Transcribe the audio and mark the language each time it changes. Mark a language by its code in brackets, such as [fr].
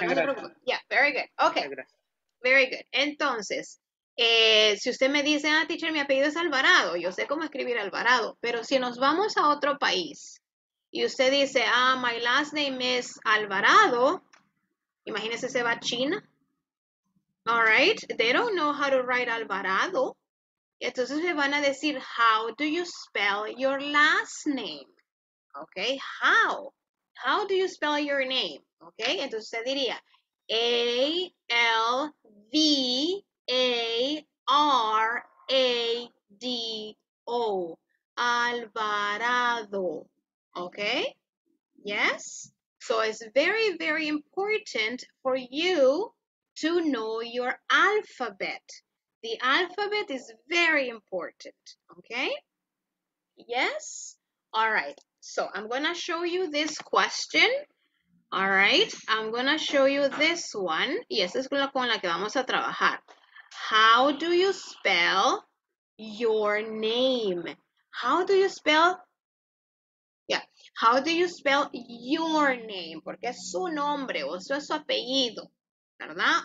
[es] Muchas gracias. [en] Yeah, very good. Okay. Very good. [es] Entonces, si usted me dice, ah, teacher, mi apellido es Alvarado, yo sé cómo escribir Alvarado, pero si nos vamos a otro país y usted dice, ah, [en] my last name is Alvarado, [es] imagínese, se va a China. [en] All right, they don't know how to write Alvarado. [es] Entonces le van a decir, [en] how do you spell your last name? Okay, how? How do you spell your name? [es] Okay, entonces usted diría, A-L-V-A-R-A-D-O, Alvarado, okay? Yes? [en] So it's very, very important for you to know your alphabet. The alphabet is very important, okay? Yes? All right, so I'm gonna show you this question. All right, I'm gonna show you this one. [es] Y esa es con la que vamos a trabajar. [en] How do you spell your name? How do you spell? Yeah, how do you spell your name? [es] Porque es su nombre o eso es su apellido, ¿verdad?